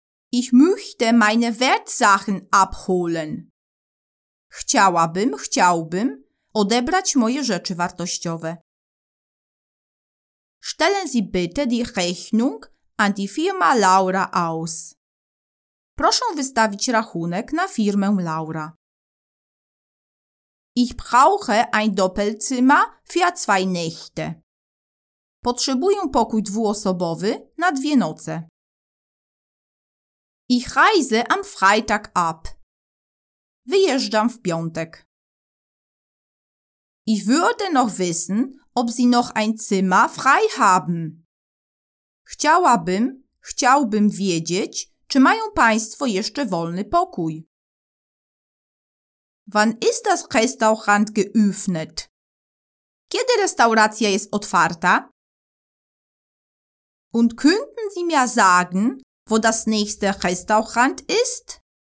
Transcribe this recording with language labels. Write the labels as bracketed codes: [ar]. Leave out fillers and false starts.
[de] Ich möchte meine Wertsachen abholen. [pl] Chciałbym odebrać moje rzeczy wartościowe. [de] Stellen Sie bitte die Rechnung an die Firma Laura aus. [pl] Proszę wystawić rachunek na firmę Laura. [de] Ich brauche ein Doppelzimmer für 2 Nächte. [pl] Potrzebuję pokój dwuosobowy na 2 noce. [de] Ich reise am Freitag ab. [pl] Wyjeżdżam w piątek. [de] Ich würde noch wissen, ob Sie noch ein Zimmer frei haben. [pl] Chciałbym wiedzieć, czy mają Państwo jeszcze wolny pokój. [de] Wann ist das Restaurant geöffnet? [pl] Kiedy restauracja jest otwarta? [de] Und könnten Sie mir sagen, wo das nächste Restaurant ist?